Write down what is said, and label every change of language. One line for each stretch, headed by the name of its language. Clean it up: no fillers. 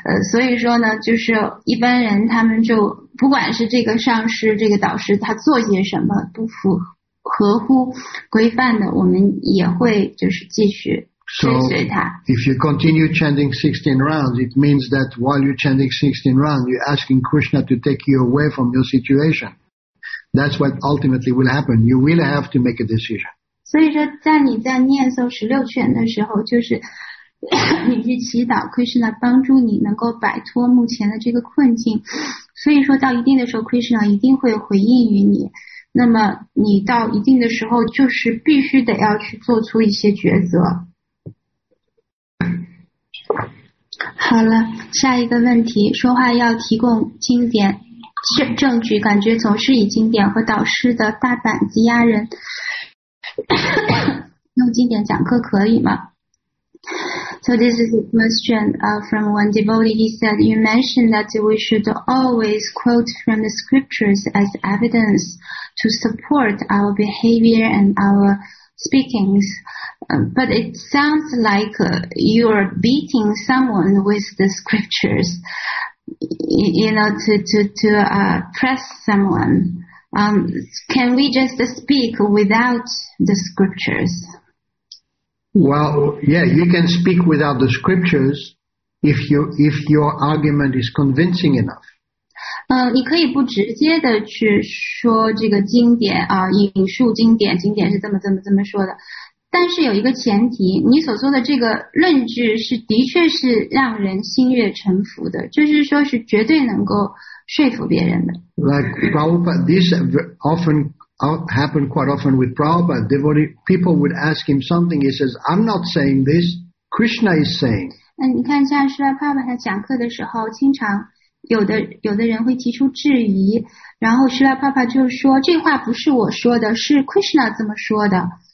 Chinese: 所以说呢，就是一般人他们就不管是这个上师这个导师他做些什么不符合乎规范的，我们也会就是继续
English: So, if you continue chanting 16 rounds, it means that while you're chanting 16 rounds, you're asking Krishna to take you away from your situation. That's what ultimately will happen. You will have to make a decision.
Chinese: 所以说在你在念诵16圈的时候，就是你去祈祷 Krishna 帮助你能够摆脱目前的这个困境。所以说到一定的时候 Krishna 一定会回应于你。那么你到一定的时候就是必须得要去做出一些抉择。好了，下一个问题，说话要提供经典证据，感觉总是以经典和导师的大板子压人。用经典讲课可以吗？
English: So this is a question from one devotee. He said, you mentioned that we should always quote from the scriptures as evidence to support our behavior and our speakings. But it sounds like you're beating someone with the scriptures, you know, to press someone. Can we just speak without the scriptures? Well, yeah, you can speak without the scriptures if your argument is convincing enough.
Chinese: 你可以不直接的去说这个经典啊，引述经典，经典是这么说的。但是有一个前提，你所做的这个论据是的确是让人心悦诚服的，就是说是绝对能够说服别人的。
English: Like Prabhupada, this often happened quite often with Prabhupada. Devotee people would ask him something. He says, "I'm not saying this. Krishna is saying."
Chinese: 你看像是在 Prabhupada 讲课的时候，经常有的人会提出质疑，然后 Srila Prabhupada 就说这话不是我说的，是 Krishna 这么说的。